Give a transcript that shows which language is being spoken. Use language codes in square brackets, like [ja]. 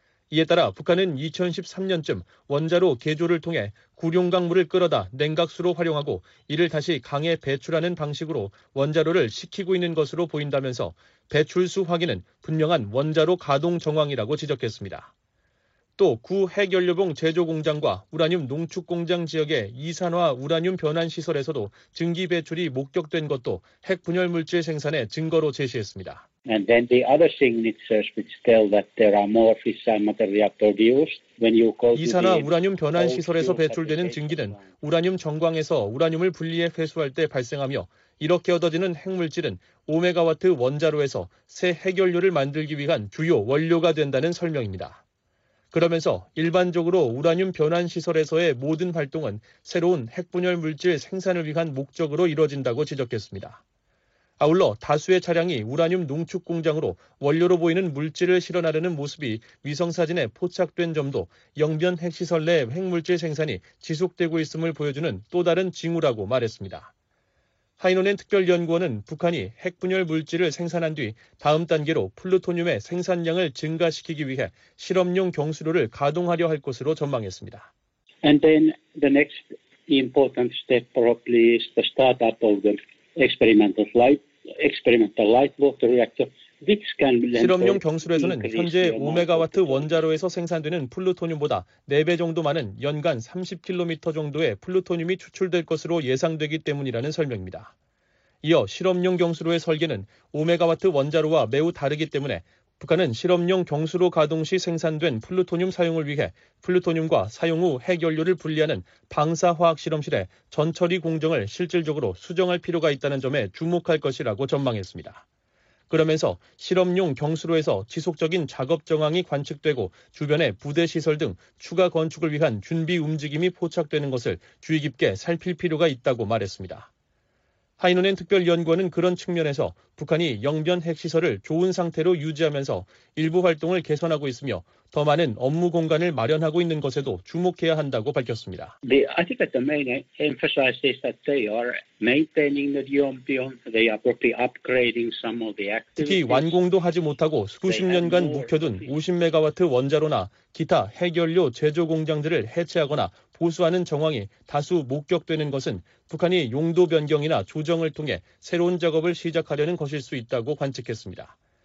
[ko] 이에 따라 북한은 2013년쯤 원자로 개조를 통해 구룡강 물을 끌어다 냉각수로 활용하고 이를 다시 강에 배출하는 방식으로 원자로를 식히고 있는 것으로 보인다면서 배출수 확인은 분명한 원자로 가동 정황이라고 지적했습니다. 또 구 핵연료봉 제조공장과 우라늄 농축공장 지역의 이산화 우라늄 변환 시설에서도 증기 배출이 목격된 것도 핵 분열 물질 생산의 증거로 제시했습니다. [en] And then the other signatures which tell that there are more fissile reactor used when you go to [ko] 이산화 우라늄 변환 시설에서 배출되는 증기는 우라늄 정광에서 우라늄을 분리해 회수할 때 발생하며 이렇게 얻어지는 핵물질은 5메가와트 원자로에서 새 핵연료를 만들기 위한 주요 원료가 된다는 설명입니다. 그러면서 일반적으로 우라늄 변환 시설에서의 모든 활동은 새로운 핵분열 물질 생산을 위한 목적으로 이뤄진다고 지적했습니다. 아울러 다수의 차량이 우라늄 농축 공장으로 원료로 보이는 물질을 실어 나르는 모습이 위성사진에 포착된 점도 영변 핵시설 내 핵물질 생산이 지속되고 있음을 보여주는 또 다른 징후라고 말했습니다. 하이노넨 특별연구원은 북한이 핵분열 물질을 생산한 뒤 다음 단계로 플루토늄의 생산량을 증가시키기 위해 실험용 경수로를 가동하려 할 것으로 전망했습니다. [en] And then the next important step probably is the start-up of the experimental light water reactor. [ko] 실험용 경수로에서는 현재 5메가와트 원자로에서 생산되는 플루토늄보다 4배 정도 많은 연간 30km 정도의 플루토늄이 추출될 것으로 예상되기 때문이라는 설명입니다. 이어 실험용 경수로의 설계는 5메가와트 원자로와 매우 다르기 때문에 북한은 실험용 경수로 가동 시 생산된 플루토늄 사용을 위해 플루토늄과 사용 후 핵연료를 분리하는 방사화학 실험실의 전처리 공정을 실질적으로 수정할 필요가 있다는 점에 주목할 것이라고 전망했습니다. 그러면서 실험용 경수로에서 지속적인 작업 정황이 관측되고 주변의 부대 시설 등 추가 건축을 위한 준비 움직임이 포착되는 것을 주의 깊게 살필 필요가 있다고 말했습니다. 하이노넨 특별연구원은 그런 측면에서 북한이 영변 핵시설을 좋은 상태로 유지하면서 일부 활동을 개선하고 있으며 더 많은 업무 공간을 마련하고 있는 것에도 주목해야 한다고 밝혔습니다. [en] I think the main emphasis is that they are maintaining the beyond. They are probably upgrading some of the activities. [ko] 특히 완공도 하지 못하고 수십 년간 묵혀둔 50메가와트 원자로나 기타 핵연료 제조 공장들을 해체하거나 고수하는 정황이 다수 목격되는 것은 북한이 용도 변경이나 조정을 통해 새로운 작업을 시작하려는 것일 수 있다고 관측했습니다.